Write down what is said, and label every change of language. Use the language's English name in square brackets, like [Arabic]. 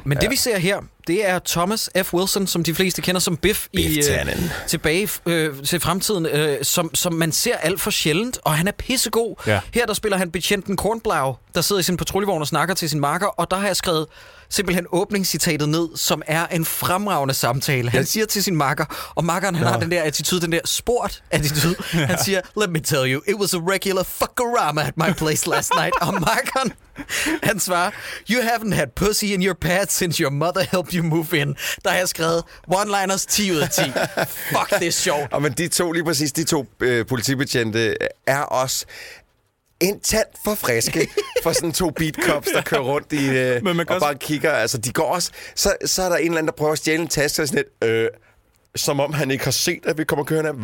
[Danish] Men det, vi ser her, det er Thomas F. Wilson, som de fleste kender som Biff i Tilbage til Fremtiden, som man ser alt for sjældent, og han er pissegod. Ja. Her der spiller han betjenten Kornblau, der sidder i sin patruljevogn og snakker til sin makker, og der har jeg skrevet simpelthen åbningscitatet ned, som er en fremragende samtale. Han siger til sin makker, og makkeren har den der attitude, den der sport attitude. Han siger, [English] let me tell you, it was a regular fuckerama at my place last night. [Danish] Og makkeren, han svarer, [English] you haven't had pussy in your pad since your mother helped you move in. [Danish] Der har jeg skrevet one-liners 10 ud af 10. Fuck, det er sjovt. Og men de to, lige præcis de to politibetjente, er også... En tand for friske for sådan to beatcops, der kører rundt i og bare kigger. Altså, de går også. Så er der en eller anden, der prøver at stjæle en taske og sådan lidt, som om han ikke har set, at vi kommer og kører ned.